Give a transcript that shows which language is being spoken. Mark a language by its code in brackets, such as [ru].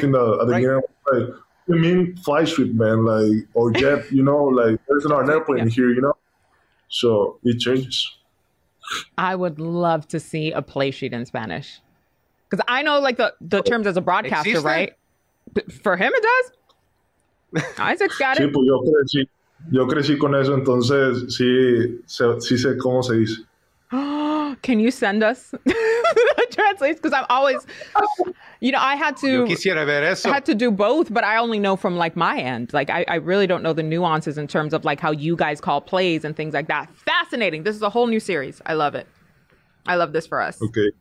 [en] Something that at the beginning, like, you mean fly sweep, man, like, or jet, you know, like, there's not an airplane here, you know? So it changes. I would love to see a play sheet in Spanish. Because I know, like, the terms as a broadcaster, [es] existe? [en] Right? For him, it does. Isaac's got it. [es] Sí, pues yo crecí con eso, entonces sí sé cómo se dice. [en] Can you send us a translation? Because I'm always, you know, I had to do both, but I only know from like my end. Like, I really don't know the nuances in terms of like how you guys call plays and things like that. Fascinating. This is a whole new series. I love it. I love this for us. Okay.